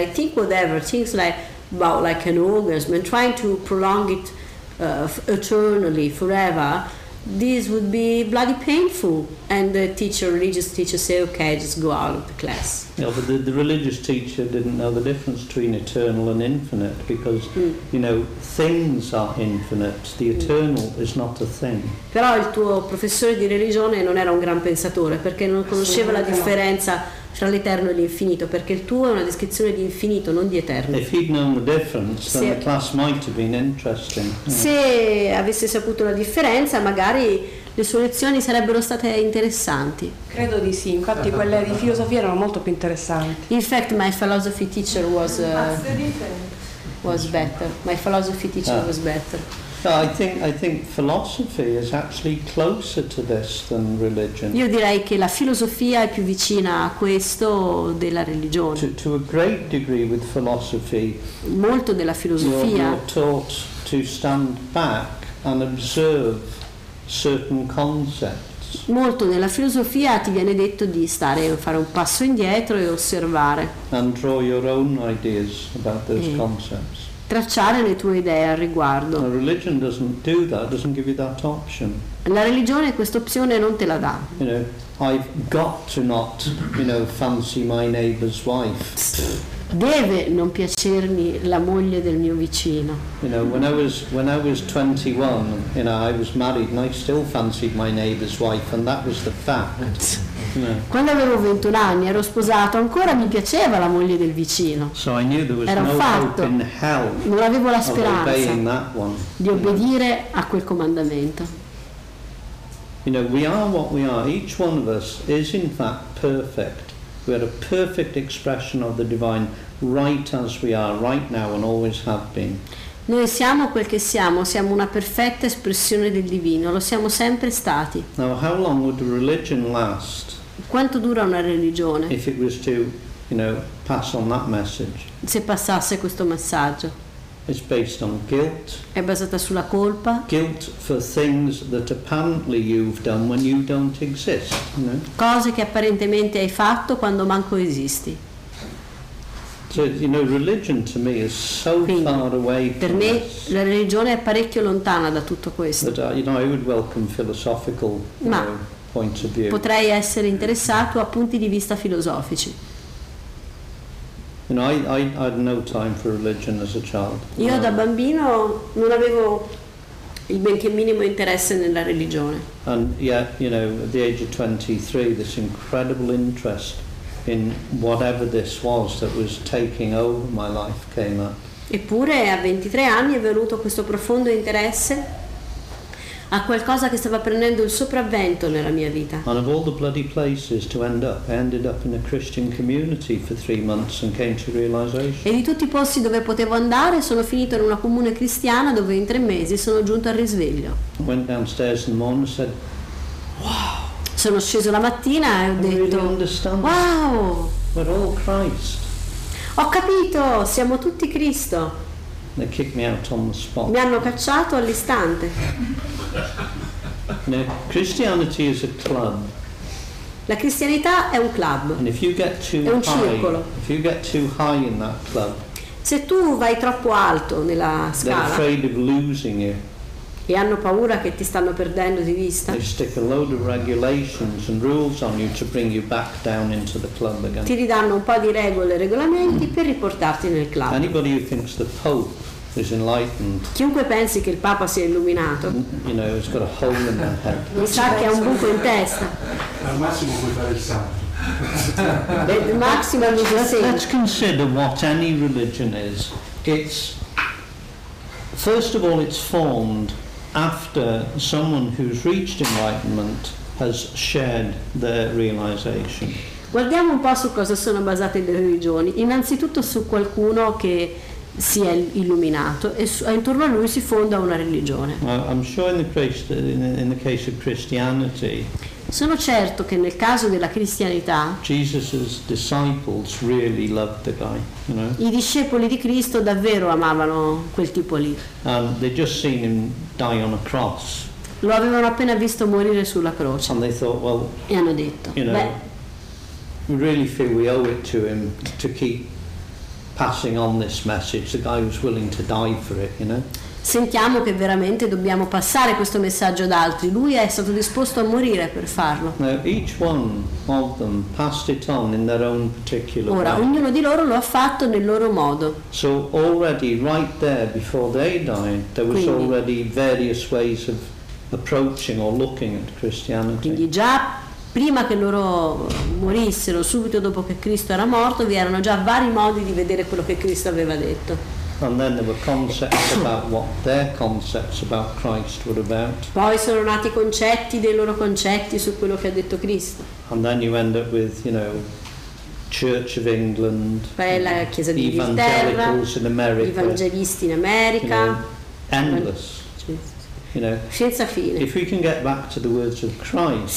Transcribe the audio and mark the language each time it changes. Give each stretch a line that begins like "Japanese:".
English: I think whatever things like about like an orgasm and trying to prolong it eternally forever, this would be bloody painful. And the teacher, religious teacher, say okay, just go out of the class. Yeah, but the religious teacher didn't know the difference between eternal and infinite because you know things are infinite, the eternal is not a thing.
Italian: Però il tuo professore di religione non era un gran pensatore perché non conosceva la differenza tra l'eterno e l'infinito, perché il tuo è una descrizione di infinito, non di eterno.
English: If he'd known the difference, then the class might have been interesting.
Italian: Se avesse saputo la differenza, magari le sue lezioni sarebbero state interessanti. Credo di sì, infatti quelle di filosofia erano molto più interessanti.
English: In fact, my philosophy teacher was better. My philosophy teacher was better. I think philosophy is actually closer to this than religion.
Italian: Io direi che la filosofia è più vicina a questo della religione.
English: To a great degree with philosophy.
Italian: Molto della filosofia.
English: You're taught to stand back and observe certain concepts.
Italian: Molto della filosofia ti viene detto di stare fare un passo indietro e osservare.
English: And draw your own ideas about those concepts.
Italian: Tracciare le tue idee al riguardo.
English: The religion doesn't do that, doesn't give you that option.
Italian: La religione questa opzione non te la dà.
English: You know, I've got to not, you know, fancy my neighbor's wife.
Italian: Deve non piacermi la moglie del mio vicino.
English: You know, when I was 21, you know, I was married and I still fancied my neighbor's wife and that was the fact.
Italian: No. Quando avevo 21 anni ero sposato, ancora mi piaceva la moglie del vicino.
English: So I knew there was
Italian: era no fatto,
English: hope in hell,
Italian: non avevo la speranza
English: of obeying that one.
Italian: Di obbedire a quel comandamento.
English: You know, we are what we are. Each one of us is in fact perfect. We are a perfect expression of the divine, right as we are, right now and always have been.
Italian: Noi siamo quel che siamo, siamo una perfetta espressione del divino, lo siamo sempre stati.
English: Now, how long would a religion last?
Italian: Quanto dura una religione?
English: If it was to, you know, pass on that message.
Italian: Se passasse questo messaggio.
English: It's based on guilt.
Italian: È basata sulla colpa.
English: Guilt for things that apparently you've done when you don't exist, you know?
Italian: Cose che apparentemente hai fatto quando manco esisti.
English: So, you know, religion to me is so
Italian: Quindi,
English: far away from
Italian: per me la religione è parecchio lontana da tutto questo.
English: But, you know, I would welcome philosophical points of view.
Italian: Potrei essere interessato a punti di vista filosofici.
English: You know, I had no time for religion as a child.
Italian: Io da bambino non avevo il benché minimo interesse nella religione.
English: And yet, you know, at the age of 23, this incredible interest in whatever this was that was taking over my life came up.
Italian: Eppure a 23 anni è venuto questo profondo interesse a qualcosa che stava prendendo il sopravvento nella mia vita.
English: And of all the bloody places to end up, I ended up in a Christian community for 3 months and came to realization.
Italian: E di tutti i posti dove potevo andare, sono finito in una comune cristiana dove in 3 mesi sono giunto al risveglio.
English: I went downstairs in the morning and said, wow.
Italian: Sono sceso la mattina e ho detto, wow.
English: We're all Christ.
Italian: Ho capito, siamo tutti Cristo.
English: They kicked me out on the spot.
Italian: Mi hanno cacciato all'istante.
English: Now, Christianity is a club.
Italian: La cristianità è un club.
English: And if you get too
Italian: è un circolo.
English: If you get too high in that club,
Italian: se tu vai troppo alto nella scala,
English: they're afraid of losing you.
Italian: E hanno paura che ti stanno perdendo di vista.
English: They stick a load of regulations and rules on you to bring you back down into the club again.
Italian: Ti ridanno un po' di regole e regolamenti per riportarti nel club.
English: Anybody who thinks the Pope is enlightened.
Italian: Chiunque pensi che il Papa sia illuminato.
English: You know, it's got a hole in their head.
Italian: Mi sa che ha un buco in testa. Al massimo puoi fare il santo. Il massimo è il santo.
English: Let's consider what any religion is. It's first of all, it's formed after someone who's reached enlightenment has shared their realization.
Italian: Guardiamo un po' su cosa sono basate le religioni. Innanzitutto su qualcuno che si è illuminato e intorno a lui si fonda una religione.
English: I'm sure in the case of Christianity.
Italian: Sono certo che nel caso della cristianità
English: Jesus's disciples really loved the guy, you know?
Italian: I discepoli di Cristo davvero amavano quel tipo lì.
English: They just seen him die on a cross.
Italian: Lo avevano appena visto morire sulla croce.
English: And they thought, well,
Italian: e hanno detto,
English: you know,
Italian: beh,
English: we really feel we owe it to him to keep passing on this message. The guy was willing to die for it, you know?
Italian: Sentiamo che veramente dobbiamo passare questo messaggio ad altri. Lui è stato disposto a morire per farlo.
English: Now, each one of them passed it on in their own particular
Italian: Ora,
English: way.
Italian: Ognuno di loro lo ha fatto nel loro modo.
English: So already right there before they died there was
Italian: Quindi,
English: already various ways of approaching or looking at Christianity.
Italian: Quindi già prima che loro morissero, subito dopo che Cristo era morto, vi erano già vari modi di vedere quello che Cristo aveva detto.
English: And then there were concepts about what their concepts about Christ were about.
Italian: Poi sono nati concetti dei loro concetti su quello che ha detto Cristo.
English: And then you end up with, you know, Church of England,
Italian: poi la Chiesa di
English: Evangelicals in America,
Italian: evangelisti in America,
English: you know, endless. You know,
Italian: senza fine.
English: If we can get back to the words of Christ,